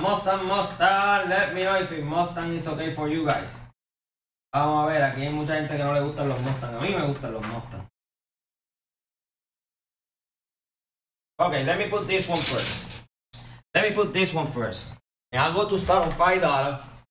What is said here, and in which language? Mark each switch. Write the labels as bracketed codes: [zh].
[en] Let me know if Mustang is okay for you guys. [es] Vamos a ver, aquí hay mucha gente que no le gustan los Mustang. A mí me gustan los Mustang. [en] Okay, let me put this one first. Let me put this one first. And I'll go to start on $5.